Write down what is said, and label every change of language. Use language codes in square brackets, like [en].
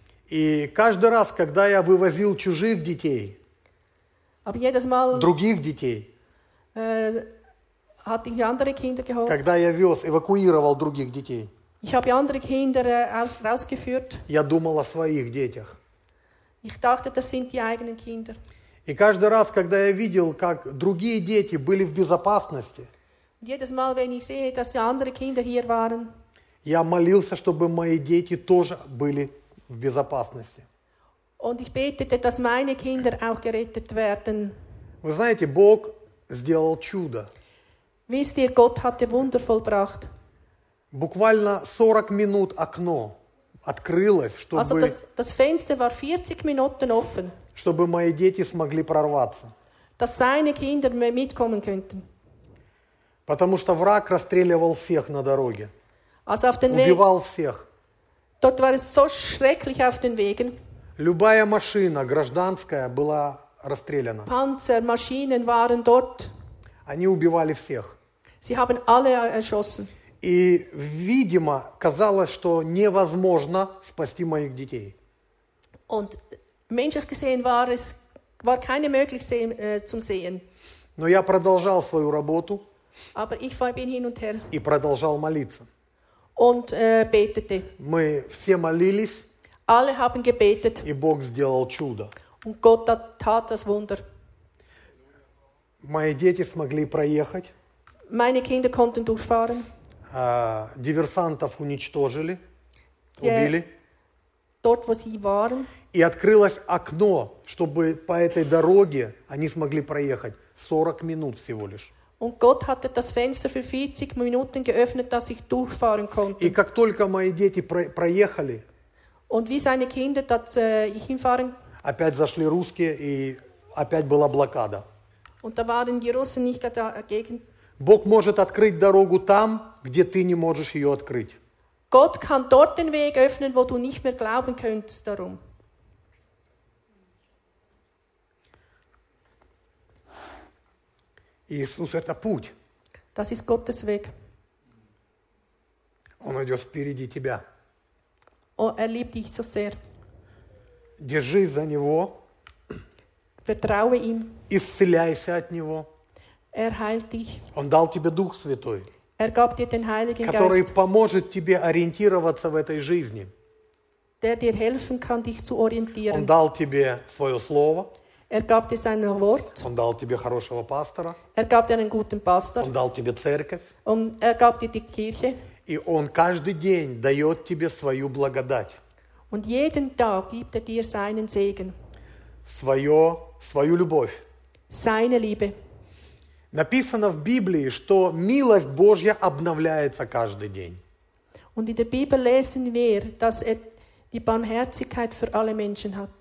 [ru] и каждый раз, когда я вывозил чужих детей, [de] Mal, [ru] других детей, [de] geholt, [ru] когда я вез, эвакуировал других детей, [de] ich habe andere Kinder rausgeführt. [ru] Я думал о своих детях. [de] Ich dachte, das sind die eigenen Kinder. [ru] И каждый раз, когда я видел, как другие дети были в безопасности, [de] jedes Mal, wenn ich sehe, dass die andere Kinder hier waren, [ru] я молился, чтобы мои дети тоже были в безопасности. [de] Und ich betete, dass meine Kinder auch gerettet werden. [ru] Вы знаете, Бог сделал чудо. [de] Wisst ihr, Gott hatte Wunder vollbracht. [ru] Буквально 40 минут окно открылось, чтобы, [de] also das Fenster war 40 Minuten offen, [ru] чтобы мои дети смогли прорваться. [de] Dass seine Kinder mitkommen könnten. [ru] Потому что враг расстреливал всех на дороге. [de] Also auf den [ru] убивал [de] Weg, [ru] всех. [de] Dort war es so schrecklich auf den Wegen. [ru] Любая машина гражданская была расстреляна. [de] Panzer, Maschinen waren dort. [ru] Они убивали всех. [de] Sie haben alle erschossen. [ru] И, видимо, казалось, что невозможно спасти моих детей. [de] Und menschlich gesehen war keine Möglichkeit zum sehen. [ru] Но я продолжал свою работу. [de] Aber ich war bin hin und her. [ru] И продолжал молиться. [de] Und betete. [ru] Мы все молились. [de] Alle haben gebetet. [ru] И Бог сделал чудо. [de] Und Gott tat das Wunder. [ru] Мои дети смогли проехать. [de] Meine Kinder konnten durchfahren. [ru] Диверсантов уничтожили, убили. [de] Dort, wo sie waren. [ru] И открылось окно, чтобы по этой дороге они смогли проехать 40 минут всего лишь. [de] Und Gott hatte das Fenster für 40 Minuten geöffnet, dass ich durchfahren konnte. [ru] И как только мои дети проехали, [de] und wie seine Kinder, dass ich hinfahren, [ru] опять зашли русские, и опять была блокада. [de] Und da waren die Russen nicht dagegen. [ru] Бог может открыть дорогу там, где ты не можешь ее открыть. [de] Gott kann dort den Weg öffnen, wo du nicht mehr glauben könntest darum. [ru] Иисус – это путь. [de] Das ist Gottes Weg. [ru] Он идет впереди тебя. [de] Er liebt dich so sehr. [ru] Держись за Него. [de] Vertraue ihm. [ru] Исцеляйся от Него. [de] Er heilt dich. [ru] Он дал тебе Дух Святой, [de] er gab dir den Heiligen [ru] который [de] Geist, [ru] поможет тебе ориентироваться в этой жизни, [de] der dir helfen kann, dich zu orientieren. [ru] Он дал тебе своё слово. [de] Er gab dir sein Wort. [ru] Он дал тебе хорошего пастора. [de] Er gab dir einen guten Pastor. [ru] Он дал тебе церковь. [de] Und er gab dir die Kirche. [ru] И он каждый день даёт тебе свою благодать. [de] Und jeden Tag gibt er dir seinen Segen. [ru] Свою любовь. [de] Seine Liebe. [ru] Написано в Библии, что милость Божья обновляется каждый день. [de] Und in der Bibel lesen wir, dass er die Barmherzigkeit für alle Menschen hat.